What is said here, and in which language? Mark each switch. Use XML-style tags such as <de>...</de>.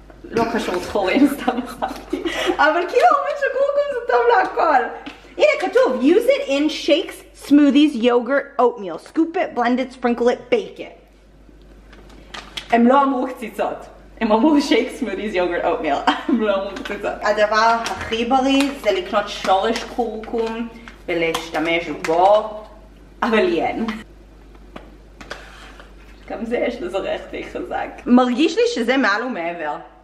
<he>לא קשור לתחורים, סתם חשבתי. אבל כאילו אומרים שכורכום זה טוב להכל. הנה כתוב,</he> <en>use it in shakes, smoothies, yogurt, oatmeal. Scoop it, blend it, sprinkle it, bake it.</en> <he>הם לא אמרו קציצות. הם אמרו שייק, סמודיז, יוגורט, אוטמיל. הם לא אמרו קציצות. הדבר הכי בריא זה לקנות שורש כורכום ולהשתמש בו, אבל אין. גם זה יש לזה ריח די חזק. מרגיש לי שזה מעל ומעבר.</he>